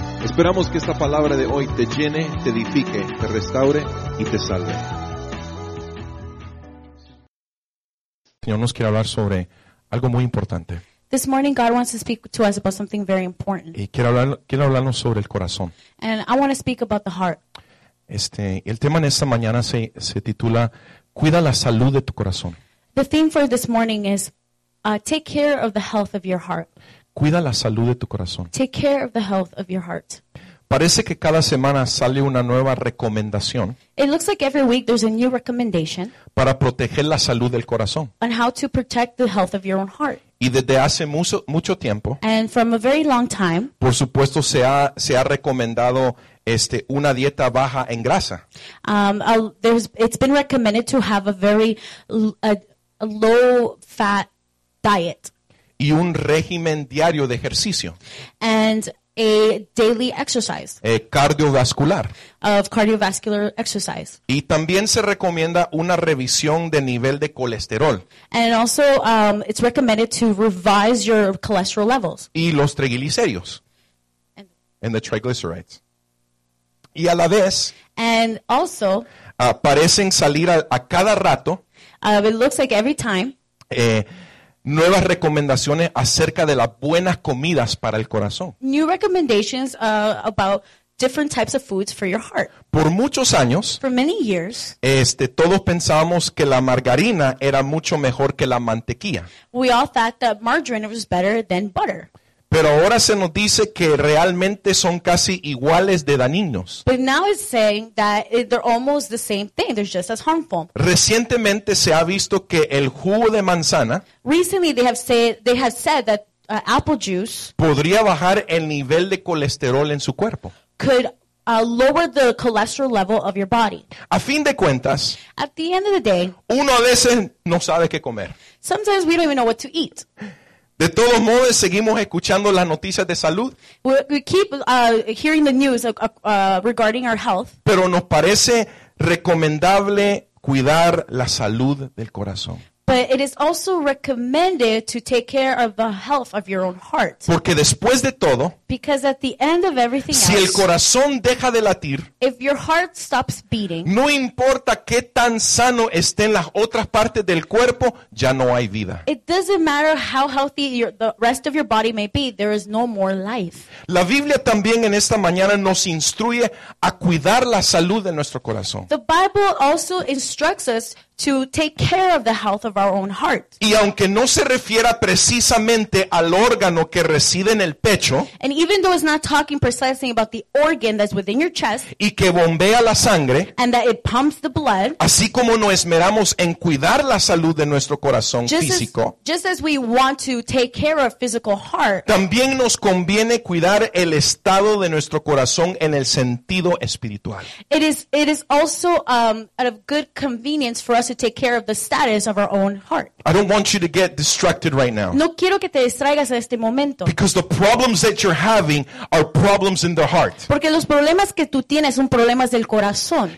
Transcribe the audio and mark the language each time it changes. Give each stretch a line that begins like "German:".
Spanish: Esperamos que esta palabra de hoy te llene, te edifique, te restaure y te salve. Señor nos quiere hablar sobre algo muy importante.
English: This morning God wants to speak to us about something very important.
Spanish: Y quiero hablarnos sobre el corazón.
English: And I want to speak about the heart.
Spanish: El tema en esta mañana se titula Cuida la salud de tu corazón.
English: The theme for this morning is take care of the health of your heart.
Spanish: Cuida la salud de tu corazón.
English: Take care of the health of your heart.
Spanish: Parece que cada semana sale una nueva recomendación.
English: It looks like every week there's a new recommendation.
Spanish: Para proteger la salud del corazón.
English: On how to protect the health of your own heart.
Spanish: Y desde hace mucho tiempo.
English: And from a very long time.
Spanish: Por supuesto se ha recomendado una dieta baja en grasa.
English: It's been recommended to have a very a low fat diet.
Spanish: Y un régimen diario de ejercicio.
English: And a daily exercise.
Spanish: Cardiovascular.
English: Of cardiovascular exercise.
Spanish: Y también se recomienda una revisión de nivel de colesterol.
English: And also it's recommended to revise your cholesterol levels.
Spanish: Y los triglicéridos.
English: And the triglycerides.
Spanish: Y a la vez,
English: and also,
Spanish: parecen salir a cada rato,
English: it looks like every time,
Spanish: nuevas recomendaciones acerca de las buenas comidas para el corazón.
English: New recommendations about different types of foods for your heart.
Spanish: Por muchos años,
English: for many years,
Spanish: todos pensábamos que la margarina era mucho mejor que la mantequilla.
English: We all thought that margarine was better than butter.
Spanish: Pero ahora se nos dice que realmente son casi iguales de dañinos.
English: But now it's saying that they're almost the same thing. They're just as harmful.
Spanish: Recientemente se ha visto que el jugo de manzana.
English: Recently they have said that apple juice.
Spanish: Podría bajar el nivel de colesterol en su cuerpo.
English: Could lower the cholesterol level of your body.
Spanish: A fin de cuentas.
English: At the end of the day.
Spanish: Uno a veces no sabe qué comer.
English: Sometimes we don't even know what to eat.
Spanish: De todos modos, seguimos escuchando las noticias de salud.
English: We keep hearing the news regarding our health.
Spanish: Pero nos parece recomendable cuidar la salud del corazón.
English: But it is also recommended to take care of the health of your own heart.
Spanish: Porque después de todo,
English: because at the end of everything
Spanish: si
English: else,
Spanish: el corazón deja de latir,
English: if your heart stops beating,
Spanish: no importa qué tan sano estén las otras partes del cuerpo, ya no hay vida.
English: It doesn't matter how healthy the rest of your body may be, there is no more life.
Spanish: La Biblia también en esta mañana nos instruye a cuidar la salud de nuestro corazón.
English: The Bible also instructs us to take care of the health of our own heart.
Spanish: Y aunque no se refiera precisamente al órgano que reside en el pecho,
English: and even though it's not talking precisely about the organ that's within your chest,
Spanish: y que bombea la sangre,
English: and that it pumps the blood,
Spanish: así como nos esmeramos en cuidar la salud de nuestro corazón físico,
English: just as we want to take care of physical heart,
Spanish: también nos conviene cuidar el estado de nuestro corazón en el sentido espiritual.
English: It is also out of good convenience for us to take care of the status of our own heart. I don't want you to get distracted right now.
Spanish: No quiero que te distraigas en este momento.
English: Because the problems that you're having are problems in the heart.
Spanish: Porque los problemas que tú tienes son problemas del corazón.